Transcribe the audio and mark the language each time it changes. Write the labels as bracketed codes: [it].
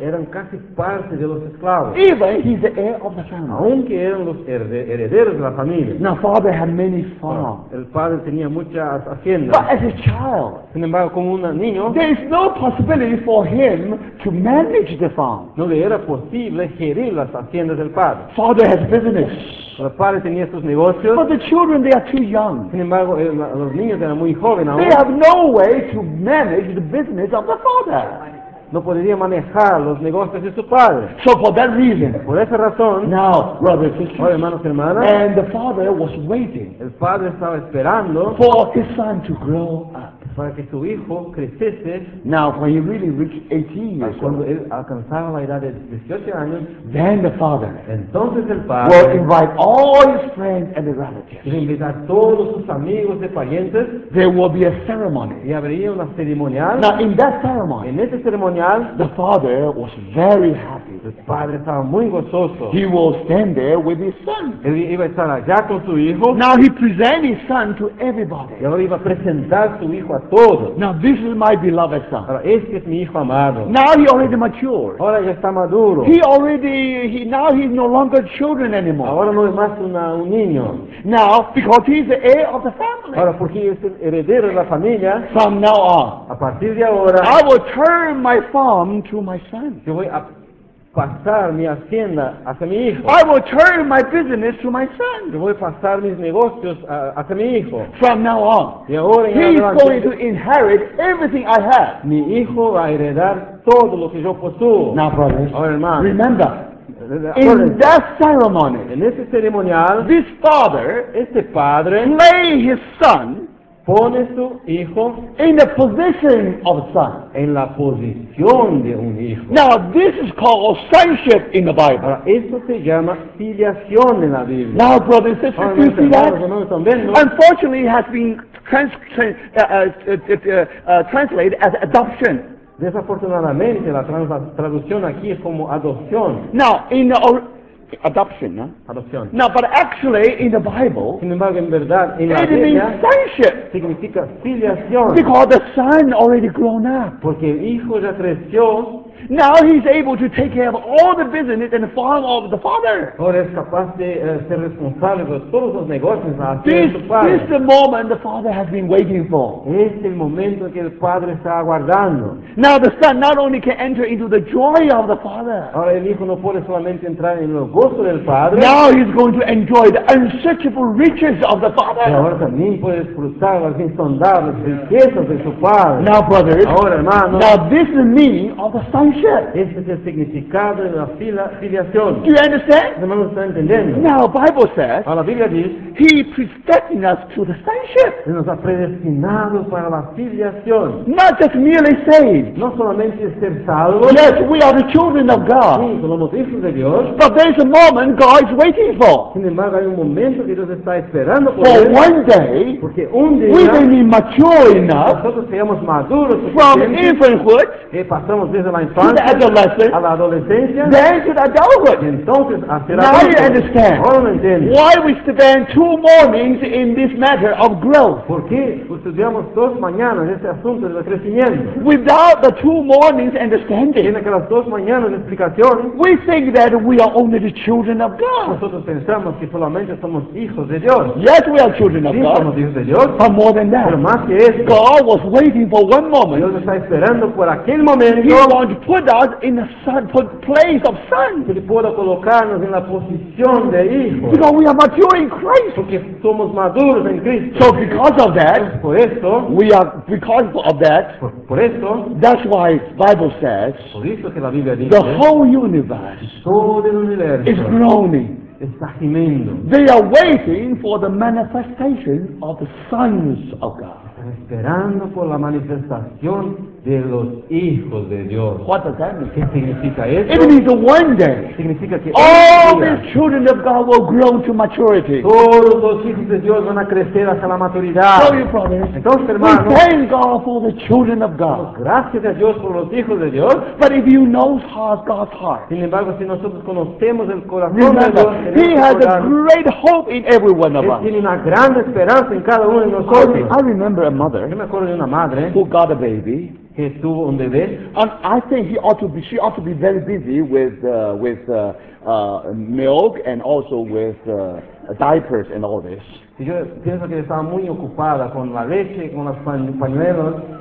[es] Eran casi parte de los esclavos. [en] Even he's the heir of the family. [es] Aunque eran los herederos de la familia. [en] Now father had many farms. [es] El padre tenía muchas haciendas. [en] But as a child, [es] sin embargo, como un niño, [en] there is no possibility for him to manage the farm. [es] No le era posible gerir las haciendas del padre. [en] Father has business. [es] El padre tenía sus negocios. [en] But the children, they are too young. [es] Sin embargo, los niños eran muy jóvenes. [en] They have no way to manage the business of the father. [es] No podría manejar los negocios de su padre. [en] So for that reason, [es] por esa razón, [en] now, brothers and sisters, [es] hermanos y hermanas, [en] and the father was waiting. [es] El padre estaba esperando [en] for his son to grow up. [es] Para que su hijo creciese. [en] Now, when he really reached 18 years, [es] cuando él alcanzaba la edad de 18 años, [en] then the father, [es] entonces el padre, [en] will invite all his friends and his relatives. [es] Y invitar todos sus amigos y parientes. [en] There will be a ceremony. [es] Y habría una ceremonial. [en] Now, in that ceremony, [es] en ese ceremonial, [en] the father was very happy. [es] El padre estaba muy gozoso. [en] He will stand there with his son. [es] Él iba a estar allá con su hijo. [en] Now he presents his son to everybody. [es] Y ahora iba a presentar su hijo a todos. [en] Now this is my beloved son. [es] Ahora este es mi hijo amado. [en] Now he already matured. [es] Ahora ya está maduro. [en] Now he's no longer children anymore. [es] Ahora no es más un niño. [en] Now because he's the heir of the family. [es] Ahora porque es el heredero de la familia. [en] From now on. [es] A partir de ahora. [en] I will turn my farm to my son. [es] Yo voy a pasar mi hacienda hacia mi hijo. [en] I will turn my business to my son. [es] Yo voy a pasar mis negocios hacia mi hijo. [en] From now on. [es] Y ahora [en] he is going to inherit everything I have. [es] Mi hijo va a heredar todo lo que yo poseo. [en] Now, brothers. [es] Ahora, hermano. [en] Remember. In that ceremony. [es] En ese ceremonial. [en] This father. [es] Este padre. [en] Lay his son. [es] Pone su hijo [en] in the position of a son. [es] En la posición de un hijo. [en] Now this is called sonship in the Bible. [es] Ahora, esto se llama filiación en la Biblia. [en] Now brothers and sisters, you see that? Unfortunately it has been translated as adoption. [es] Desafortunadamente, la traducción aquí es como adopción. [en] Now, in the adoption, no? [es] Adopción. [en] Now, but actually, in the Bible, [es] sin embargo, en verdad, en [en] it [es] la [en] means sonship. [es] Significa filiación. [en] Because the son already grown up. [es] Porque el hijo ya creció. [en] Now he's able to take care of all the business and follow the father. [es] Ahora es capaz de ser responsable de todos los negocios a su padre. [en] This is the moment the father has been waiting for. [es] Es el momento que el padre está aguardando. [en] Now the son not only can enter into the joy of the father. [es] Ahora el hijo no puede solamente entrar en el gozo del padre. [en] Now he's going to enjoy the unsearchable riches of the father. [es] Ahora también puede disfrutar las insondables riquezas de su padre. [en] Now brothers. [es] Ahora hermanos. [en] Now this is the meaning of the son. [es] Este es el significado de la filiación. [en] Do you understand? [es] Hermanos, ¿están entendiendo? [en] Now, Bible says, [es] la Biblia dice, [en] He predestined us to the sonship. [es] Él nos ha predestinado para la filiación. [en] Not just merely saved. [es] No solamente ser salvo. [en] Yes, we are the children of God. [es] Sí, somos hijos de Dios. [en] But there is a moment God is waiting for. [es] Sin embargo, hay un momento que Dios está esperando por [en] For one day, [es] porque un día, [en] we may be mature enough, [es] nosotros seamos maduros [en] from infanthood, [es] que pasamos desde la [en] to the adolescence, [es] a la adolescencia, [en] then to the adulthood. [es] Entonces, [en] now adulto, you understand why we spend two mornings in this matter of growth. [es] ¿Por qué estudiamos dos mañanas este asunto del crecimiento? [en] Without the two mornings understanding, [es] tiene que las dos mañanas de explicación, [en] we think that we are only the children of God. [es] Nosotros pensamos que solamente somos hijos de Dios. [en] Yes, we are children [es] sí, [en] of God. [es] Sí, somos hijos de Dios. [en] But more than that, [es] pero más que esto, [en] God was waiting for one moment. [es] Dios está esperando por aquel momento. [en] He want to put us in the sun, put place of son. [es] Que pueda colocarnos en la posición de hijo. [en] Because we are mature in Christ. [es] Porque somos maduros en Cristo. [en] So because of that, [es] por esto, [en] we are because of that. [es] Por esto, [en] that's why Bible says. [es] Por eso que la Biblia dice. [en] The whole universe, [es] todo el universo, [en] is groaning. [es] Está gimiendo. [en] They are waiting for the manifestation of the sons of God. [es] Esperando por la manifestación de los hijos de Dios. [en] What does that mean? [es] ¿Qué significa eso? [en] It means one day. [es] Significa que [en] all the children of God will grow to maturity. [es] Todos los hijos de Dios van a crecer hasta la maturidad. [en] So you promise. [es] Entonces, hermanos, [en] we thank God for the children of God. [es] Gracias a Dios por los hijos de Dios. [en] But if you know God's heart, [es] sin embargo, si nosotros conocemos el corazón [en] remember, [es] de Dios, [en] He has a great hope in every one of us. [es] Tiene una gran esperanza en cada uno de nosotros. [en] I remember a mother. [es] Yo me acuerdo de una madre [en] who got a baby. [es] Que tuvo un bebé. [en] And I think she ought to be very busy with milk and also with diapers and all this. [es] Yo pienso que estaba muy ocupada con la leche, con los pañuelos.